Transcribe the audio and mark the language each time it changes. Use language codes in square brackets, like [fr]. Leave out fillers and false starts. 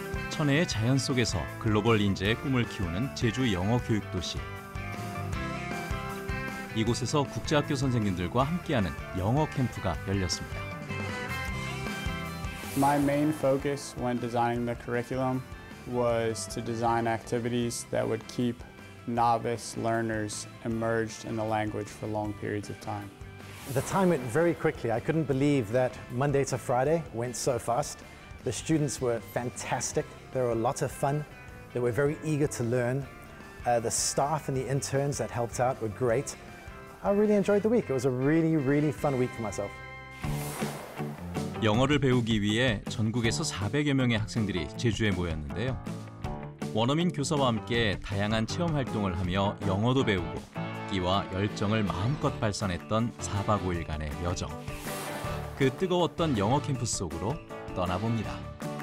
[ko] 천혜의 자연 속에서 글로벌 인재의 꿈을 키우는 제주 영어 교육 도시. 이곳에서 국제학교 선생님들과 함께하는 영어 캠프가 열렸습니다. [en] My main focus when designing the curriculum was to design activities that would keep novice learners immersed in the language for long periods of time. The time went very quickly. I couldn't believe that Monday to Friday went so fast. The students were fantastic. There were a lot of fun. They were very eager to learn. The staff and the interns that helped out were great. I really enjoyed the week. It was a really, really fun week for myself. [ko] 영어를 배우기 위해 전국에서 400여 명의 학생들이 제주에 모였는데요. 원어민 교사와 함께 다양한 체험 활동을 하며 영어도 배우고 끼와 열정을 마음껏 발산했던 4박 5일간의 여정. 그 뜨거웠던 영어 캠프 속으로 떠나봅니다.